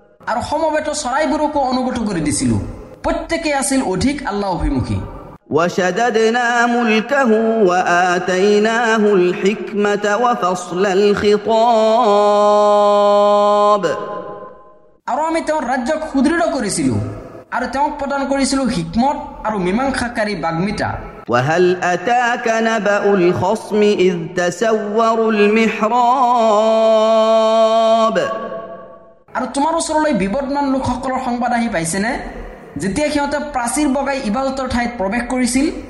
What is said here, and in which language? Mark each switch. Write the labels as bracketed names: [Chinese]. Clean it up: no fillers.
[Assamese] আর সমবেত চৰাইবোৰকো অনুগত কৰি দিছিলো, প্ৰত্যেকেই আছিল অধিক আল্লাহ অভিমুখী। [Arabic] وشددنا ملكه وآتيناه الحكمة وفصل الخطاب। [Assamese] আর আমি তেওঁৰ ৰাজ্যক সুদৃঢ় কৰিছিলো আৰু তেওঁক প্ৰদান কৰিছিলো হিকমত আৰু মীমাংসাকাৰী বাগ্মিতা। [Arabic] وَهَلْ أَتَاكَ نَبَأُ الْخَصْمِ إِذْ تَسَوَّرُوا الْمِحْرَابَ। [Assamese] আৰু তোমাৰ ওচৰলৈ বিবদমান লোকসকলৰ সংবাদ আহি পাইছেনে, যেতিয়া সিহঁতে প্ৰাচীৰ বগাই ইবাদতৰ ঠাইত প্ৰৱেশ কৰিছিল।